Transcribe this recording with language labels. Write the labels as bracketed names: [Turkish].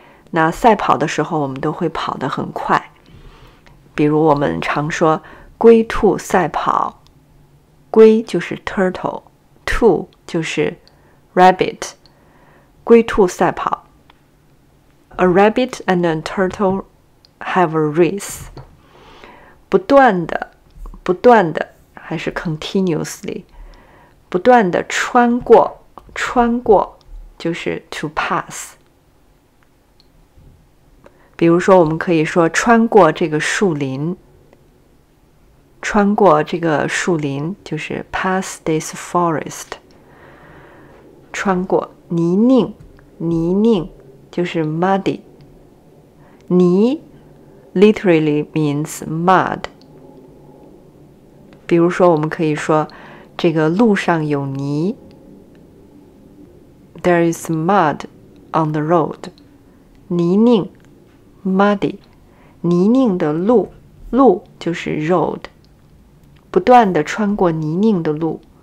[Chinese] 那赛跑的时候我们都会跑得很快，比如我们常说龟兔赛跑，龟就是 turtle， 兔就是 rabbit， 龟兔赛跑。 [English] A rabbit and a turtle have a race。 [Chinese] 不断的还是 continuously，不断地穿过就是 to pass。比如说我们可以说穿过这个树林就是 [English] pass this forest。 [Chinese] 穿过泥泞就是 muddy， 泥 [English] literally means mud。 [Chinese] 比如说我们可以说这个路上有泥， [English] There is mud on the road， [Chinese] 泥泞 muddy， 泥泞的路就是 road， 不断地穿过泥泞的路。